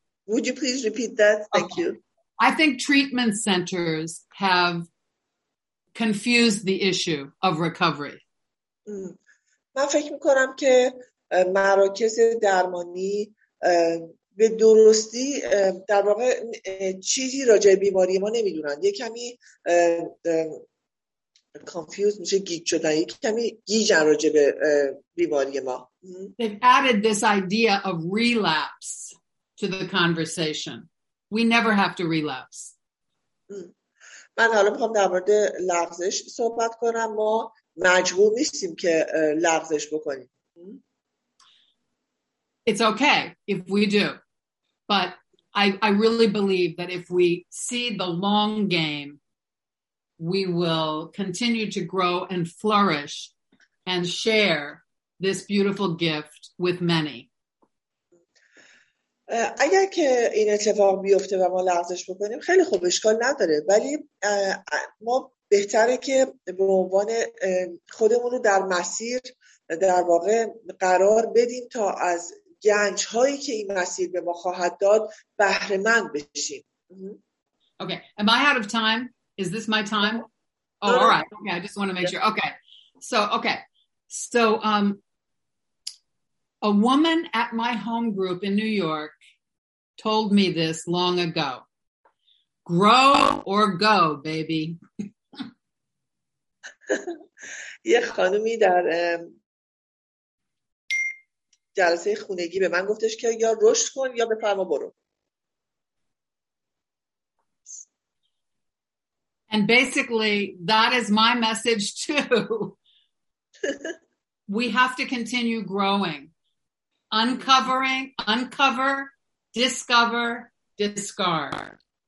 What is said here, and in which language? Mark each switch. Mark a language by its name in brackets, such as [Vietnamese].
[English] Would you please repeat that? Thank you. I think treatment centers have confused the issue of recovery. [Persian] من فکر می‌کنم که مراکز درمانی به درستی در واقع چیزی راجع به بیماری ما نمی‌دونن. یه کمی confused میشه گیج شدن. یه کمی گیج راجع به بیماری ما. [English] They've added this idea of relapse to the conversation. We never have to relapse. [Persian] من حالا میخوام در مورد لغزش صحبت کنم. ما مجبور نیستیم که لغزش بکنیم. [English] It's okay if we do. But I really believe that if we see the long game, we will continue to grow and flourish and share this beautiful gift with many. [Persian] اگر که این اتفاق بیفته و ما لغزش بکنیم خیلی خوب، اشکال نداره، ولی ما بهتره که به عنوان خودمون رو در مسیر در واقع قرار بدیم تا از گنج هایی که این مسیر به ما خواهد داد بهره مند بشیم. [English] Okay, am I out of time? Is this my time? Oh, all right. Okay, I just want to make sure. Okay. So a woman at my home group in New York told me this long ago. Grow or go, baby. [Persian] یه خانومی در جلسه خونگی به من گفتش که یا رشد کن یا بفرما برو. [English] And basically that is my message too. We have to continue growing. Uncovering, uncover, discover, discard.